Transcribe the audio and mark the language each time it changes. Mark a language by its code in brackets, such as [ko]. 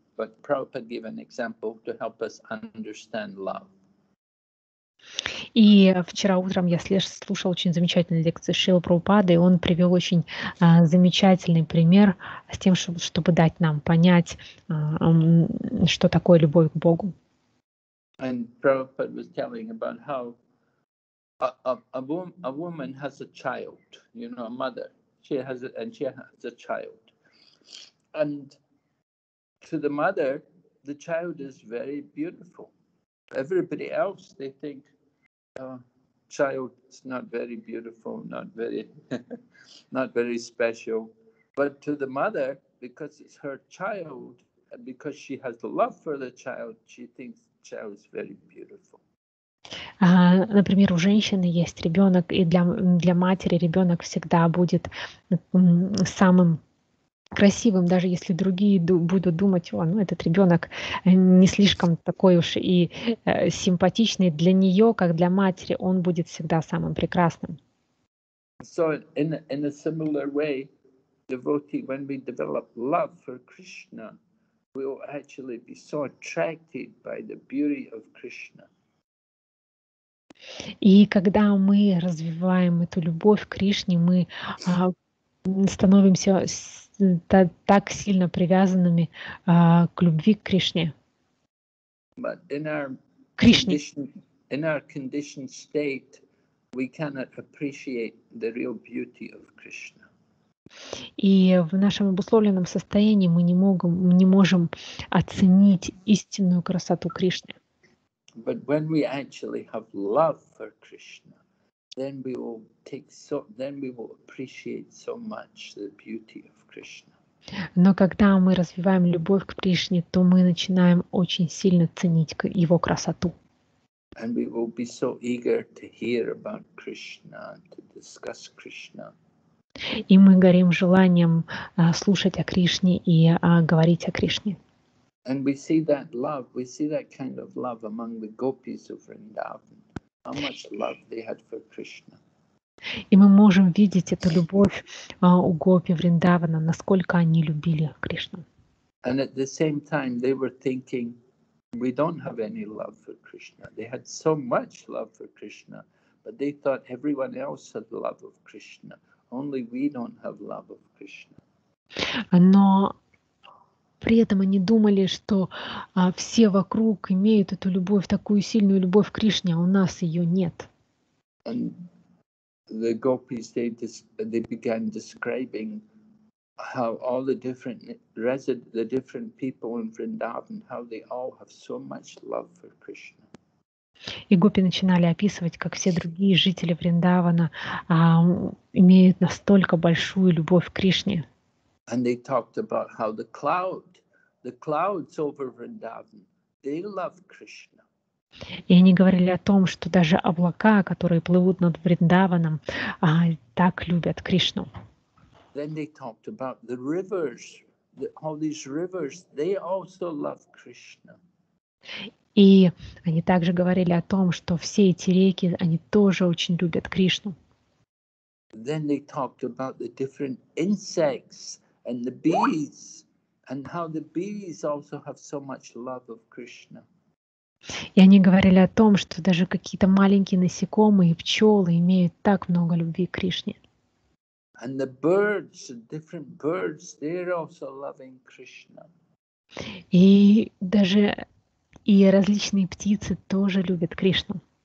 [en] But Prabhupada gave an example to help us understand love. [ru] И вчера утром я слушал очень замечательную лекцию Шрилы Прабхупады, и он привел очень замечательный пример с тем, чтобы дать нам понять, что такое любовь к Богу. [en] And Prabhupada was telling about how a woman has a child, you know, a mother. She has a child. And to the mother, the child is very beautiful. Everybody else, they think, child is not very beautiful, not very special. But to the mother, because it's her child, because she has the love for the child, she thinks the child is very beautiful. [ru] Например, у женщины есть ребенок, и для матери ребенок всегда будет самым красивым, даже если другие будут думать, о, ну этот ребенок не слишком такой уж и симпатичный для нее, как для матери, он будет всегда самым прекрасным. [en] So in a similar way, devotee, when we develop love for Krishna, we will actually be so attracted by the beauty of Krishna. [ru] И когда мы развиваем эту любовь к Кришне, мы становимся так сильно привязанными к любви к Кришне. [en] But in our Кришне. In our conditioned state, we cannot appreciate the real beauty of Krishna. [ru] И в нашем обусловленном состоянии мы не можем оценить истинную красоту Кришны. [en] But when we actually have love for Krishna, then we will appreciate so much the beauty of Krishna. [ru] Но когда мы развиваем любовь к Кришне, то мы начинаем очень сильно ценить его красоту. [en] And we will be so eager to hear about Krishna, to discuss Krishna. [ru] И мы горим желанием слушать о Кришне и говорить о Кришне. [en] And we see that love, we see that kind of love among the gopis of Vrindavan. How much love they had for Krishna. [ru] И мы можем видеть эту любовь у гопи Вриндавана, насколько они любили Кришну. [en] And at the same time, they were thinking, we don't have any love for Krishna. They had so much love for Krishna, but they thought everyone else had love of Krishna. Only we don't have love of Krishna. [ru] Но при этом они думали, что все вокруг имеют эту любовь, такую сильную любовь к Кришне, а у нас ее нет. [en] And the gopis, they began describing how all the different people in Vrindavan, how they all have so much love for Krishna. [ru] И гопи начинали описывать, как все другие жители Вриндавана имеют настолько большую любовь к Кришне. [en] And they talked about how the clouds over Vrindavan, they love Krishna. [ru] И они говорили о том, что даже облака, которые плывут над Вриндаваном, так любят Кришну. [en] Then they talked about the rivers, all these rivers, they also love Krishna. [ru] И они также говорили о том, что все эти реки, они тоже очень любят Кришну. [en] Then they talked about the different insects and the bees. And how the bees also have so much love of Krishna. [ru] И они говорили о том, что даже какие-то маленькие насекомые и пчелы имеют так много любви к Кришне. [en] And the birds, different birds, they're also loving Krishna. [ru] И даже различные птицы тоже любят Кришну.